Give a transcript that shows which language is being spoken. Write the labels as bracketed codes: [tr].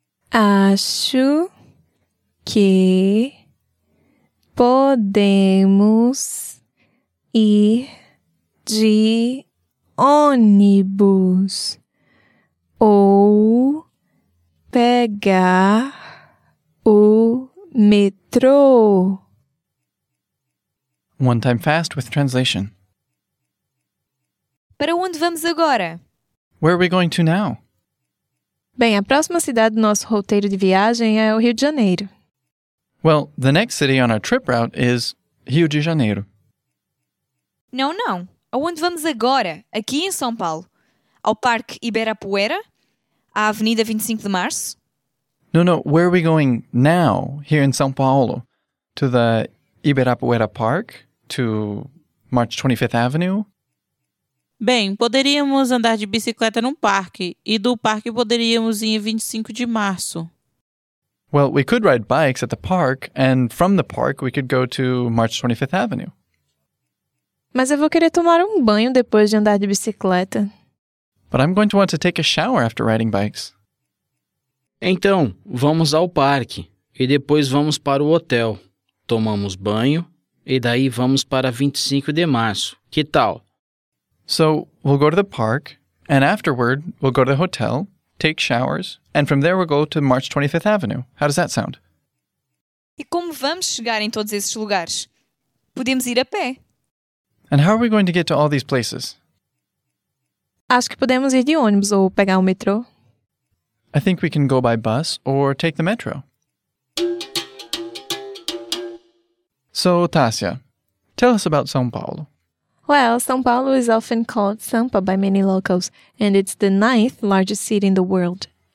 [pt] Acho que podemos ir de ônibus ou pegar o metrô. [en] One time fast with translation. [pt] Para onde vamos agora? [en] Where are we going to now? [pt] Bem, a próxima cidade do nosso roteiro de viagem é o Rio de Janeiro. [en] Well, the next city on our trip route is Rio de Janeiro. [pt] Não, não. Aonde vamos agora, aqui em São Paulo? Ao Parque Ibirapuera? À Avenida 25 de Março? [en] No, no. Where are we going now, here in São Paulo? To the Ibirapuera Park? To March 25th Avenue? [pt] Bem, poderíamos andar de bicicleta num parque, e do parque poderíamos ir em 25 de março. [en] Well, we could ride bikes at the park, and from the park we could go to March 25th Avenue. [pt] Mas eu vou querer tomar um banho depois de andar de bicicleta. [en] But I'm going to want to take a shower after riding bikes. [pt] Então, vamos ao parque, e depois vamos para o hotel. Tomamos banho, e daí vamos para 25 de março. Que tal? [en] So, we'll go to the park, and afterward, we'll go to the hotel, take showers, and from there we'll go to March 25th Avenue. How does that sound? [pt] E como vamos chegar em todos esses lugares? Podemos ir a pé. [en] And how are we going to get to all these places? [pt] Acho que podemos ir de ônibus ou pegar o metrô. [en] I think we can go by bus or take the metro. So, Tássia, tell us about São Paulo. Well, São Paulo is often called Sampa by many locals, and it's the ninth largest city in the world.